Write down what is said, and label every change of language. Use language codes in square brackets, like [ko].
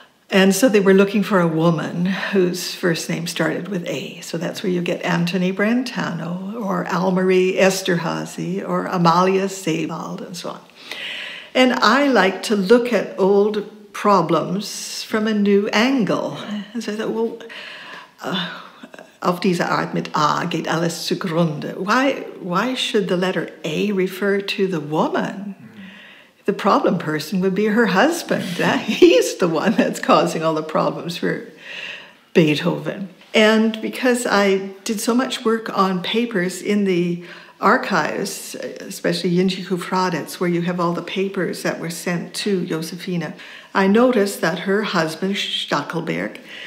[en] And so they were looking for a woman whose first name started with A. So that's where you get Antony Brentano, or Almarie Esterhazy, or Amalia Sebald, and so on. And I like to look at old problems from a new angle. And so I thought, well, [de] auf diese Art mit A geht alles zugrunde. [en] Why should the letter A refer to the woman? The problem person would be her husband. He's the one that's causing all the problems for Beethoven. And because I did so much work on papers in the archives, especially Yinjiku Fraditz, where you have all the papers that were sent to Josephina, I noticed that her husband, Stackelberg,